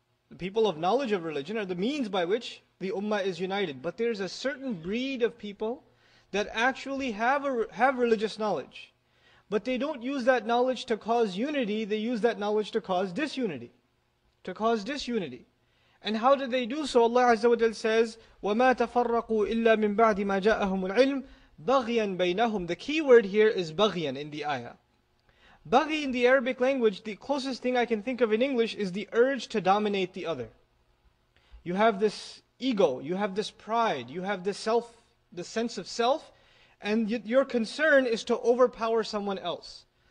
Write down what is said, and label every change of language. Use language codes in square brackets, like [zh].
[en] The people of knowledge of religion are the means by which the ummah is united. But there's a certain breed of people that actually have religious knowledge. But they don't use that knowledge to cause unity, they use that knowledge to cause disunity. To cause disunity. And how do they do so? Allah Azza wa Jalla says, [ar] وَمَا تَفَرَّقُوا إِلَّا مِنْ بَعْدِ مَا جَاءَهُمُ الْعِلْمُ بَغْيًا بَيْنَهُمْ. [en] The key word here is بَغْيًا in the ayah. Baghi in the Arabic language, the closest thing I can think of in English is the urge to dominate the other. You have this ego, you have this pride, you have this self, the sense of self, and your concern is to overpower someone else.